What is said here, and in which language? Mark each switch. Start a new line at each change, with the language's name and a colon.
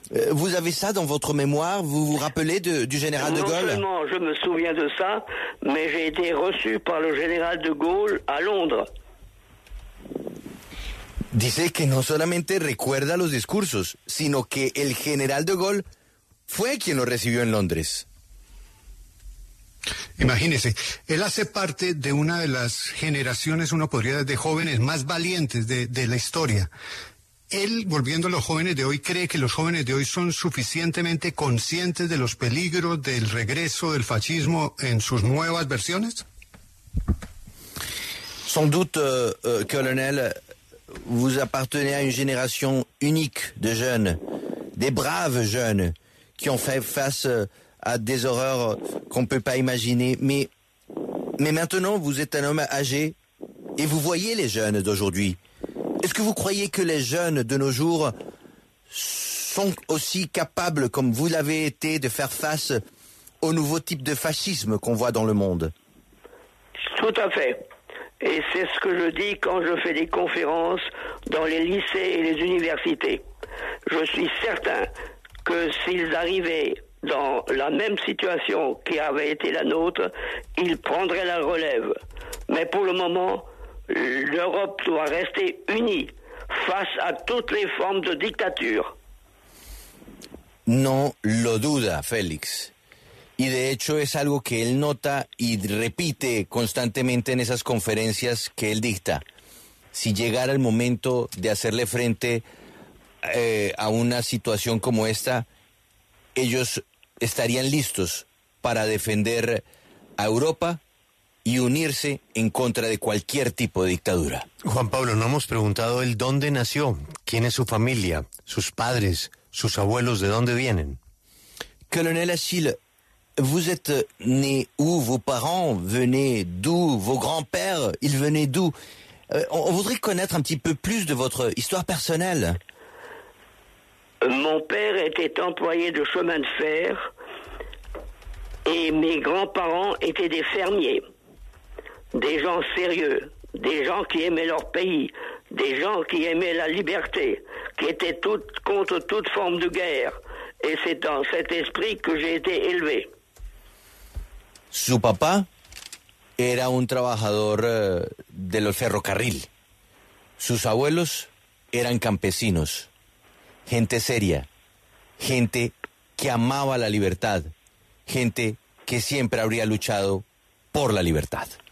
French: Vous avez ça dans votre mémoire? Vous vous rappelez du général de Gaulle? Non seulement je me souviens de ça, mais j'ai été reçu par le général de Gaulle à Londres.
Spanish: Dice que no solamente recuerda los discursos, sino que el general de Gaulle fue quien lo recibió en Londres. Imagínese, él hace parte de una de las generaciones, uno podría decir, de jóvenes más valientes de la historia. Él, volviendo a los jóvenes de hoy, cree que los jóvenes de hoy son suficientemente conscientes de los peligros del regreso del fascismo en sus nuevas versiones.
French: Sans doute, colonel, vous appartenez à une génération unique de jeunes, des braves jeunes qui ont fait face à des horreurs qu'on ne peut pas imaginer. Mais maintenant, vous êtes un homme âgé et vous voyez les jeunes d'aujourd'hui. Est-ce que vous croyez que les jeunes de nos jours sont aussi capables, comme vous l'avez été, de faire face au nouveau type de fascisme qu'on voit dans le monde? Tout à fait. Et c'est ce que je dis quand je fais des conférences dans les lycées et les universités. Je suis certain que s'ils arrivaient dans la même situation qui avait été la nôtre, ils prendraient la relève. Mais pour le moment, l'Europe doit rester unie face à toutes les formes de dictature.
Spanish: Non lo duda, Félix. Y de hecho es algo que él nota y repite constantemente en esas conferencias que él dicta. Si llegara el momento de hacerle frente a una situación como esta, ellos estarían listos para defender a Europa y unirse en contra de cualquier tipo de dictadura. Juan Pablo, no hemos preguntado él dónde nació, quién es su familia, sus padres, sus abuelos, ¿de dónde vienen?
French: Colonel Achille, vous êtes né où? Vos parents venaient d'où? Vos grands-pères, ils venaient d'où? On voudrait connaître un petit peu plus de votre histoire personnelle. Mon père était employé de chemin de fer et mes grands-parents étaient des fermiers, des gens sérieux, des gens qui aimaient leur pays, des gens qui aimaient la liberté, qui étaient contre toute forme de guerre. Et c'est dans cet esprit que j'ai été élevé.
Spanish: Su papá era un trabajador de los ferrocarril. Sus abuelos eran campesinos, gente seria, gente que amaba la libertad, gente que siempre habría luchado por la libertad.